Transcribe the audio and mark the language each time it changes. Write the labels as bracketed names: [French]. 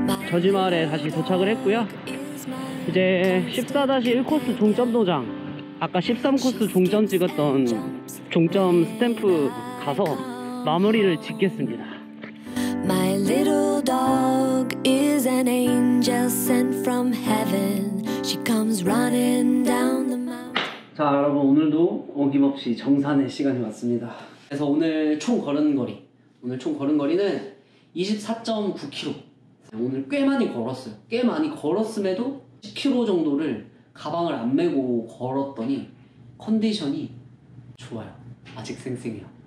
[Korean] 저지마을에 다시 도착을 했고요. 이제 14-1코스 종점 도장. 아까 13코스 종점 찍었던 종점 스탬프 가서 마무리를 짓겠습니다. [English] My little dog is an angel sent from heaven. She comes running down the mountain. [Korean] 자, 여러분 오늘도 어김없이 정산의 시간이 왔습니다. 그래서 오늘 총 걸은 거리는 24.9km. 오늘 꽤 많이 걸었어요. 꽤 많이 걸었음에도 10km 정도를 가방을 안 메고 걸었더니 컨디션이 좋아요. 아직 생생해요.